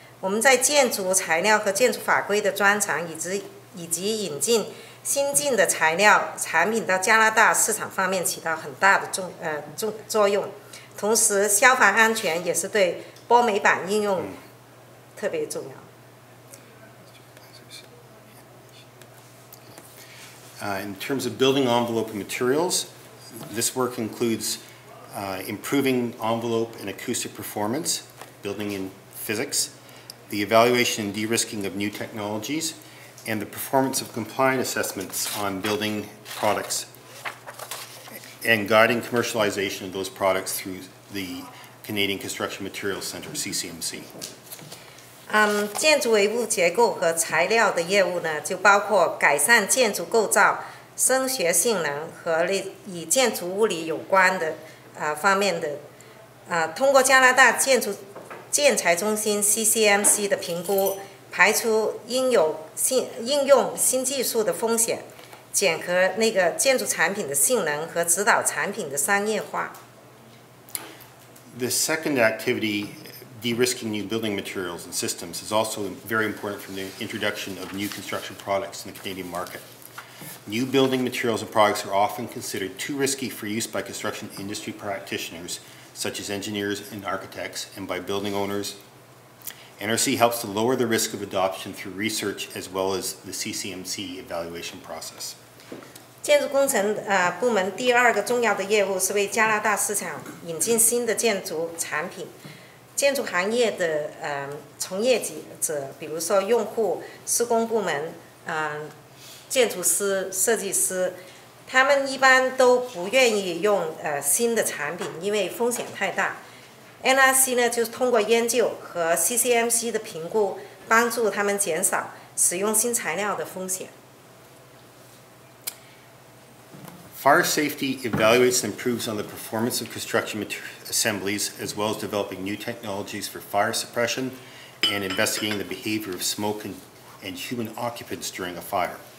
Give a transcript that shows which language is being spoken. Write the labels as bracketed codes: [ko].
[zh] 我们在建筑材料和建筑法规的专长，以及引进新进的材料产品到加拿大市场方面起到很大的作用，同时消防安全也是对玻璃板应用特别重要。 [en] In terms of building envelope materials, this work includes improving envelope and acoustic performance, building in physics, the evaluation and de-risking of new technologies. And the performance of compliance assessments on building products and guiding commercialization of those products through the Canadian Construction Materials Center, CCMC. [zh] 建筑维护结构和材料的业务呢，就包括改善建筑构造、声学性能和与建筑物理有关的方面的。通过加拿大建材中心 CCMC 的评估。排除应用新技术的风险，检核那个建筑产品的性能和指导产品的商业化。 [en] The second activity, de-risking new building materials and systems, is also very important for the introduction of new construction products in the Canadian market. New building materials and products are often considered too risky for use by construction industry practitioners, such as engineers and architects, and by building owners. NRC helps to lower the risk of adoption through research as well as the CCMC evaluation process. [zh] 建筑工程部门第二个重要的业务是为加拿大市场引进新的建筑产品。建筑行业的从业者，比如说用户、施工部门、建筑师、设计师，他们一般都不愿意用新的产品，因为风险太大。NRC 呢，就是通过研究和 CCMC 的评估，帮助他们减少使用新材料的风险。 [en] Fire safety evaluates and improves on the performance of construction assemblies as well as developing new technologies for fire suppression and investigating the behavior of smoke and human occupants during a fire.